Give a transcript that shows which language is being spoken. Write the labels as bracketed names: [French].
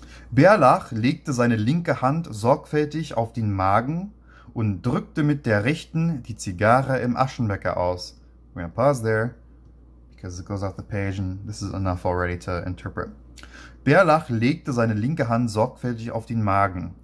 [German] Bärlach legte seine linke Hand sorgfältig auf den Magen und drückte mit der rechten die Zigarre im Aschenbecher aus. [English] We're going to pause there because it goes off the page and this is enough already to interpret. [German] Bärlach legte seine linke Hand sorgfältig auf den Magen.